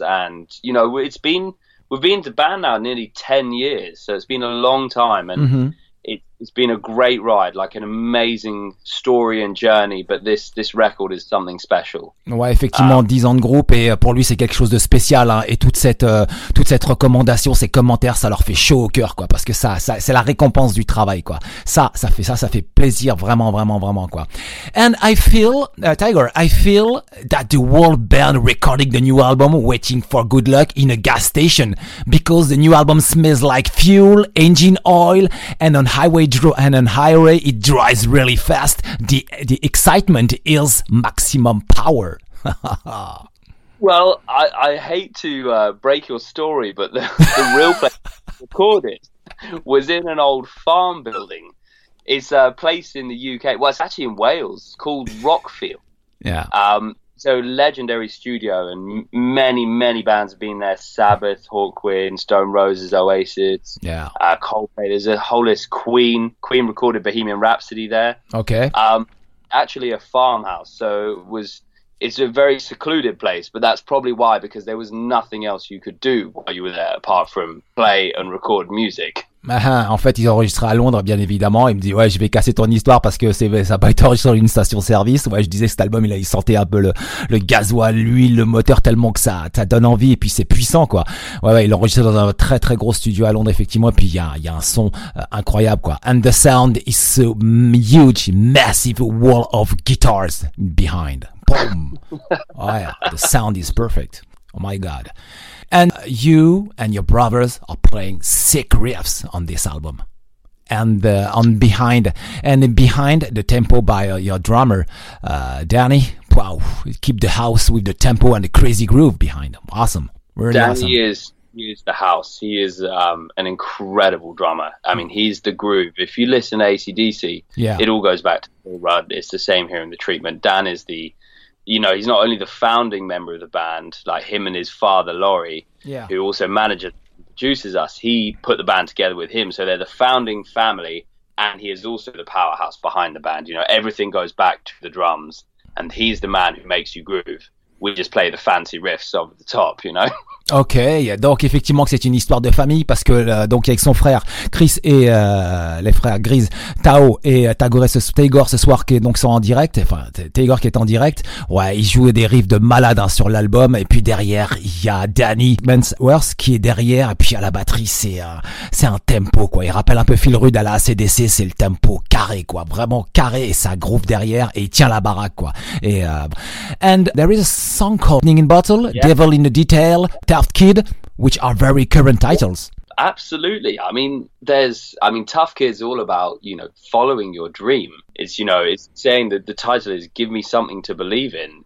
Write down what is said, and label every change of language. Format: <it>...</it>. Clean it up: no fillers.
<en>And, you know, we've been to band now nearly 10 years. So it's been a long time. And mm-hmm. it, It's been a great ride, like an amazing story and journey, but this record is something special.</en> <fr>Ouais, effectivement, 10 ans de groupe, et pour lui, c'est quelque chose de spécial, hein, et toute cette recommandation, ces commentaires, ça leur fait chaud au cœur, quoi, parce que ça, c'est la récompense du travail, quoi. Ça fait plaisir, vraiment, vraiment, vraiment, quoi.</fr> <en>And I feel, Tiger, I feel that the world band recording the new album Waiting for Good Luck in a gas station, because the new album smells like fuel, engine oil, and on highway. And on highway, it drives really fast. The excitement is maximum power. Well, I hate to break your story, but the real place to record it was in an old farm building. It's a place in the UK. Well, it's actually in Wales, called Rockfield. Yeah. So, legendary studio, and many, many bands have been there. Sabbath, Hawkwind, Stone Roses, Oasis, yeah. Coldplay. There's a whole list. Queen recorded Bohemian Rhapsody there. Okay. Actually, a farmhouse. So, it's a very secluded place, but that's probably why, because there was nothing else you could do while you were there apart from play and record music.</en> <fr>En fait, ils ont enregistré à Londres, bien évidemment. Il me dit, ouais, je vais casser ton histoire parce que ça va être enregistré dans une station-service. Ouais, je disais que cet album, il sentait un peu le gasoil, l'huile, le moteur tellement que ça donne envie et puis c'est puissant, quoi. Ouais, il a enregistré dans un très très gros studio à Londres, effectivement. Et puis il y a un son incroyable, quoi.</fr> <en>And the sound is so huge, massive wall of guitars behind. Boom.</en> <fr>Ouais,</fr> <en>the sound is perfect. Oh my God. And you and your brothers are playing sick riffs on this album. And behind the tempo by your drummer, Danny, wow, keep the house with the tempo and the crazy groove behind him. Awesome. Really Danny awesome. He is the house. He is an incredible drummer. I mean, he's the groove. If you listen to AC/DC, yeah. It all goes back to Paul Rudd. It's the same here in the treatment. Dan is the... You know, he's not only the founding member of the band, like him and his father, Laurie, yeah. who also manages and produces us. He put the band together with him. So they're the founding family. And he is also the powerhouse behind the band. You know, everything goes back to the drums. And he's the man who makes you groove. We just play the fancy riffs over the top, you know.</en> <fr>Ok, donc effectivement que c'est une histoire de famille parce que donc avec son frère Chris et les frères Grise, Tao et Tagore ce soir qui donc sont en direct, enfin Tagore qui est en direct, ouais, ils jouent des riffs de malade hein, sur l'album et puis derrière il y a Danny Mansworth qui est derrière et puis à la batterie c'est un tempo quoi, il rappelle un peu Phil Rudd à la AC/DC, c'est le tempo carré quoi, vraiment carré et ça groove derrière et il tient la baraque quoi. Et</fr> <en>and there is a song called Lightning in Bottle, yeah. Devil in the Detail, Tough Kid, which are very current titles. Absolutely. I mean, Tough Kid's all about, you know, following your dream. It's, you know, it's saying that the title is Give Me Something to Believe In.</en>